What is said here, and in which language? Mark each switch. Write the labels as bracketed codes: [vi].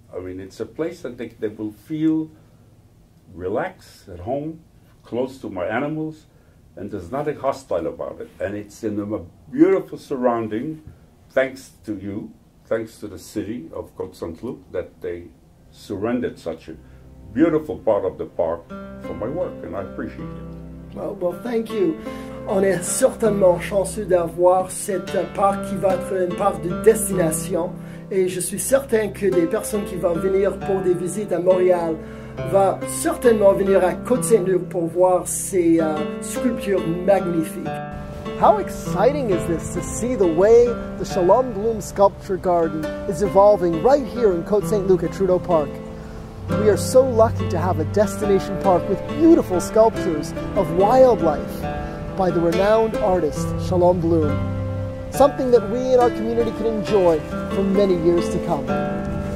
[en] I mean, it's a place that they will feel relaxed, at home, close to my animals, and there's nothing hostile about it. And it's in a beautiful surrounding, thanks to you, thanks to the city of Côte Saint-Luc, that they surrendered such a beautiful part of the park for my work, and I appreciate it. Well, thank you. [fr] On est certainement chanceux d'avoir cette parc qui va être une parc de destination. Et je suis certain que des personnes qui vont venir pour des visites à Montréal vont certainement venir à Côte-Saint-Luc pour voir ces sculptures magnifiques. [en] How exciting is this to see the way the Shalom Bloom Sculpture Garden is evolving right here in Côte-Saint-Luc at Trudeau Park. We are so lucky to have a destination park with beautiful sculptures of wildlife by the renowned artist Shalom Bloom. Something that we in our community can enjoy for many years to come.